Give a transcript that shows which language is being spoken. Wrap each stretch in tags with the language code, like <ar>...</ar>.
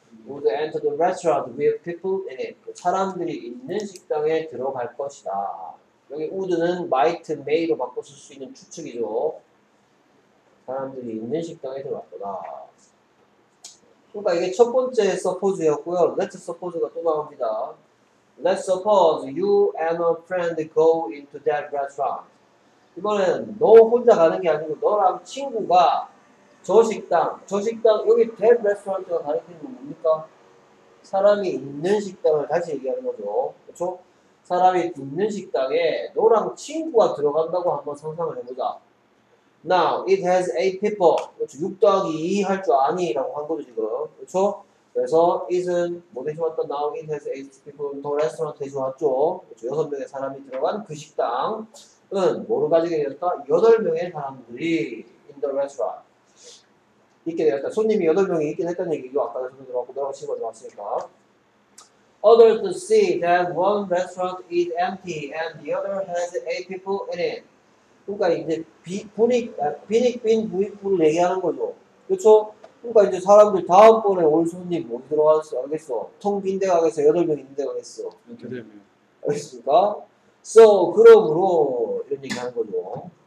<en>Would enter the restaurant with people in it.</en> <ko>사람들이 있는 식당에 들어갈 것이다. 여기 would는 might, may로 바꿔 쓸 수 있는 추측이죠. 사람들이 있는 식당에 들어갈 거다. 그러니까 이게 첫 번째 suppose였고요. Let's suppose 가 또 나옵니다.</ko> <en>Let's suppose you and a friend go into that restaurant. 이번에는 너 혼자 가는 게 아니고 너랑 친구가</en> <ko>저 식당 여기 대 레스토랑트가 가리키는 건 뭡니까? 사람이 있는 식당을 다시 얘기하는 거죠. 그렇죠? 사람이 있는 식당에 너랑 친구가 들어간다고 한번 상상을 해보자.</ko> <en>Now it has 8 people. 그렇죠?</en> <ko>6 더하기 2 할 줄 아니라고 한 거죠 지금. 그렇죠? 그래서 it은 뭐 대신 왔던 now it has 8 people. 더 레스토랑 대신 왔죠. 그렇죠? 여섯 명의 사람이 들어간 그 식당은 뭐로 가지게 되었다? 여덟 명의 사람들이 in the restaurant. 있게 되었다. 손님이 8명이 있긴 했다는 얘기죠. 아까 손님 들어왔고 너랑 친구가 들어왔으니까.</ko> <en>Others see that one restaurant is empty and the other has 8 people in it.</en> <ko>그러니까 이제 빈익빈부익부를 얘기하는 거죠. 그렇죠? 그러니까 이제 사람들 다음번에 올 손님 어디 들어가겠어? 텅 빈 데 가겠어? 8명 있는 데 가겠어? 8명. 알겠습니까? So, 그러므로 이런 얘기하는 거죠.</ko>